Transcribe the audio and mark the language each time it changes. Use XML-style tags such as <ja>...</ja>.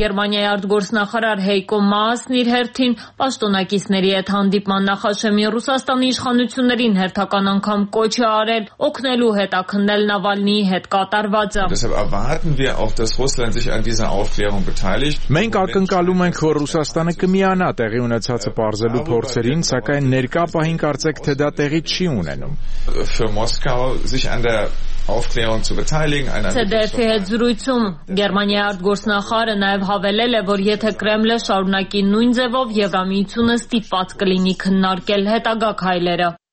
<hy>Գերմանիայի արտգործնախարար Հեյկո Մաասն իր հերթին պաշտոնակիցների հետ հանդիպման նախաշեմին Ռուսաստանի իշխանություններին հերթական անգամ կոչ է արել օգնելու հետաքննել Նավալնիի հետ կատարվածը։</hy> <de>Deshalb erwarten wir auch, dass Russland sich an dieser Aufklärung beteiligt.</de> <hy>Մենք ակնկալում ենք, որ Ռուսաստանը կմիանա տեղի ունեցածը պարզելու փորձերին, սակայն ներկա պահին կարծեք թե դա տեղի չի ունենում։</hy> <de>Für Moskau sich an der Aufklärung zu beteiligen</de> <hy>ZDF-ի հետ զրույցում Գերմանիայի արտգործնախարարը նաև հավելել է, որ եթե Կրեմլը շարունակի նույն ձևով, Եվրամիությունը ստիպված կլինի քննարկել հետագա քայլերը։</hy>